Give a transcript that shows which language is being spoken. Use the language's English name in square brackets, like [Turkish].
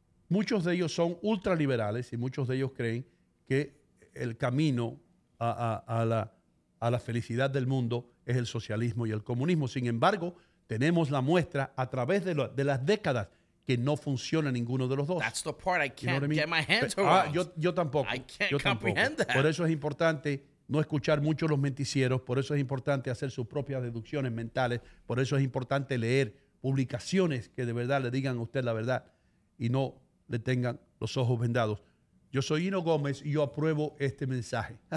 [Spanish] Muchos de ellos son ultraliberales y muchos de ellos creen que el camino a la felicidad del mundo es el socialismo y el comunismo. Sin embargo, tenemos la muestra a través de las décadas que no funciona ninguno de los dos. [English] That's the part I can't get my hands around. [Spanish] Yo [English] tampoco. I can't comprehend that. [Spanish] Por eso es importante no escuchar mucho los noticieros, por eso es importante hacer sus propias deducciones mentales, por eso es importante leer publicaciones que de verdad le digan a usted la verdad y no le tengan los ojos vendados. Yo soy Hino Gómez y yo apruebo este mensaje.